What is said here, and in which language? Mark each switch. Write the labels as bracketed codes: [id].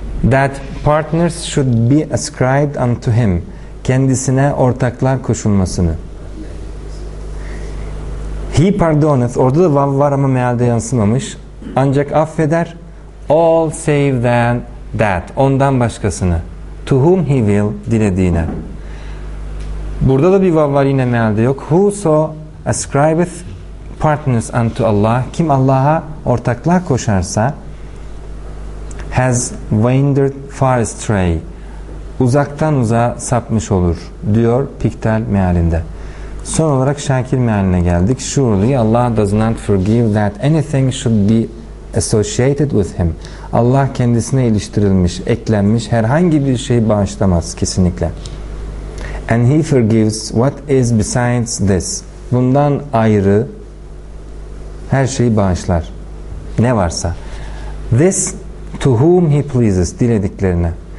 [en] That partners should be ascribed unto him. [tr] Kendisine ortaklar koşulmasını. [en] He pardoneth. [tr] Orada da vav var ama mealde yansımamış. Ancak affeder. [en] All save than that. [tr] Ondan başkasını. [en] To whom he will, [tr] dilediğine. Burada da bir vav var, yine mealde yok. [en] Whoso ascribeth partners unto Allah. [tr] Kim Allah'a ortaklar koşarsa, [en] has wandered far astray. [tr] Uzaktan uzağa sapmış olur, diyor Piktel mealinde. Son olarak Şakir mealine geldik. [en] Surely Allah does not forgive that anything should be associated with him. [tr] Allah kendisine iliştirilmiş, eklenmiş herhangi bir şeyi bağışlamaz kesinlikle. [en] And he forgives what is besides this. [tr] Bundan ayrı her şeyi bağışlar. Ne varsa. [en] This to whom he pleases, [tr] dilediklerine.